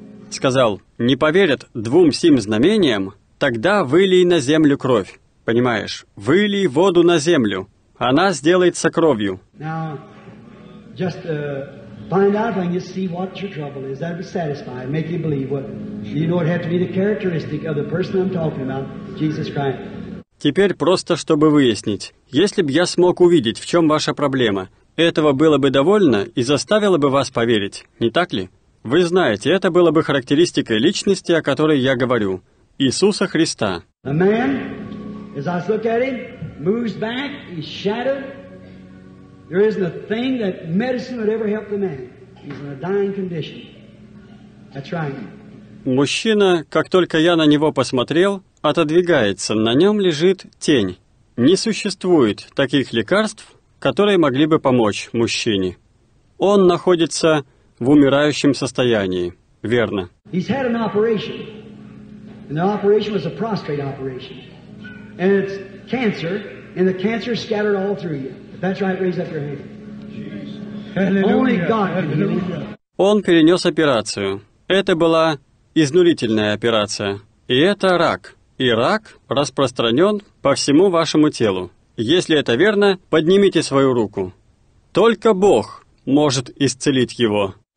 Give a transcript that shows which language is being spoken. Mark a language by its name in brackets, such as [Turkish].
[Russian] Сказал, не поверят двум сим знамениям, тогда вылей на землю кровь. Понимаешь, вылей воду на землю, она сделается кровью. [English] Now, just find out and you see what your trouble is. That would satisfy, make you believe what you know it had to be the characteristic of the person I'm talking about, Jesus Christ. [Russian] Теперь просто чтобы выяснить, если бы я смог увидеть, в чем ваша проблема, этого было бы довольно и заставило бы вас поверить, не так ли? Вы знаете, это было бы характеристикой личности, о которой я говорю, Иисуса Христа. [English] The man, as I look at him, moves back, he's shattered. There isn't a thing that medicine would ever help the man. He's in a dying condition. That's right. [Russian] Мужчина, как только я на него посмотрел, отодвигается, на нем лежит тень. Не существует таких лекарств, которые могли бы помочь мужчине. Он находится в умирающем состоянии, верно? [English] He's had an operation, and the operation was a prostate operation, and it's cancer, and the cancer scattered all through you. If that's right, raise up your hand. Hallelujah. Only God can heal. [Russian] Он перенес операцию. Это была изнурительная операция, и это рак. И рак распространен по всему вашему телу. Если это верно, поднимите свою руку. Только Бог может исцелить его.